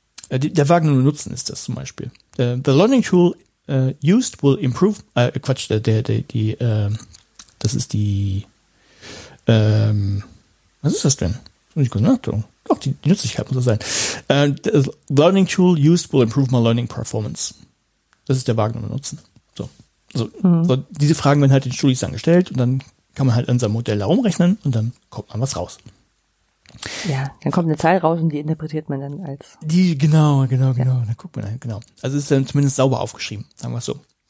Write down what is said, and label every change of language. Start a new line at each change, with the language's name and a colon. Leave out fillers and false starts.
German: Der wahrgenommene Nutzen ist das zum Beispiel.
English: The learning tool used will improve,
German: das ist die, was ist das denn? Muss ich kurz nachdenken. Doch, die Nützlichkeit muss das sein.
English: The learning tool used will improve my learning performance.
German: Das ist der wahrgenommene Nutzen. So. Diese Fragen werden halt den Studis dann gestellt und dann kann man halt an seinem Modell herumrechnen und dann kommt man was raus. Ja, dann kommt eine Zahl raus und die interpretiert man dann als. Die, genau. Ja. Dann guckt man halt, genau. Also ist dann zumindest sauber aufgeschrieben, sagen wir es so.